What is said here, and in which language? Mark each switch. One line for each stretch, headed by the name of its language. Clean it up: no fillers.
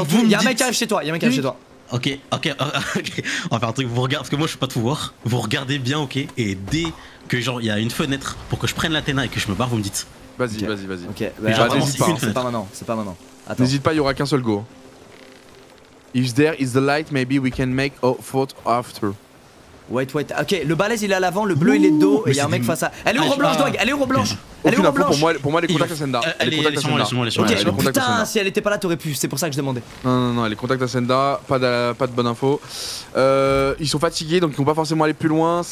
French: Il y a un mec qui arrive chez toi. Ok. On va faire un truc, vous regardez, parce que moi je suis pas tout voir. Vous regardez bien, ok. Et dès que genre il y a une fenêtre pour que je prenne l'Athéna et que je me barre, vous me dites. Vas-y. Ok, c'est pas maintenant. N'hésite pas, il y aura qu'un seul go.
English: If there is the light, maybe we can make a fort after. Wait.
French: Ok, le balèze il est à l'avant, le bleu il est de dos, et il y a un mec face à. Elle est où Robe blanche, Doig? Elle est où Robe blanche? Elle est où Robe blanche? Pour moi, elle est contact à Senda. Elle est contact à Senda. Putain, si elle était pas là, t'aurais pu, c'est pour ça que je demandais. Non, elle est contact à Senda, pas de bonne info. Ils sont fatigués, donc ils vont pas forcément aller plus loin.